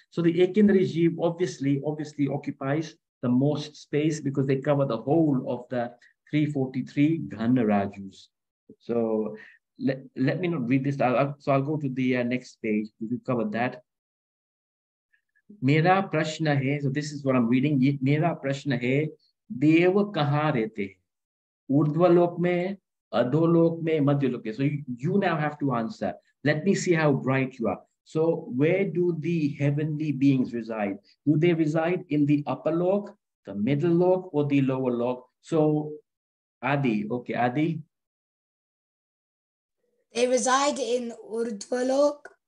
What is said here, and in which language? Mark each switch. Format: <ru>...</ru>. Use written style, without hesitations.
<en>So the ekendriya jeev obviously occupies the most space because they cover the whole of the 343 ghana rajus. So let me not read this. I'll go to the next page. We'll cover that.</en> <hi>Mera prashna hai.</hi> <en>So this is what I'm reading.</en> <hi>Mera prashna hai. देव कहाँ रहते हैं ऊर्ध्वलोक में अधोलोक में मध्यलोक में.</hi> <en>So you now have to answer. Let me see how bright you are. So where do the heavenly beings reside? Do they reside in the upper lok, the middle lok, or the lower lok? So Adi. They reside in Urdhvalok.</en>